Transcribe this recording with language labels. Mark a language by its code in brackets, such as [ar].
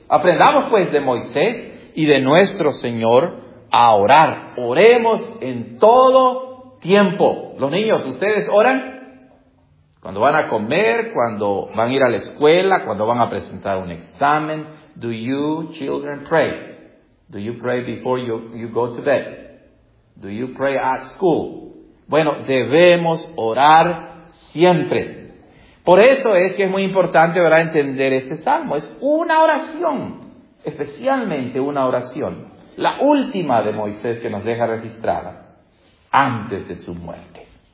[es] Aprendamos pues de Moisés y de nuestro Señor a orar. Oremos en todo tiempo. Los niños, ¿ustedes oran? Cuando van a comer, cuando van a ir a la escuela, cuando van a presentar un examen. [en] Do you, children, pray? Do you pray before you go to bed? Do you pray at school? [es] Bueno, debemos orar siempre. Por eso es que es muy importante, ¿verdad?, entender este salmo. Es una oración, especialmente una oración. La última de Moisés que nos deja registrada antes de su muerte.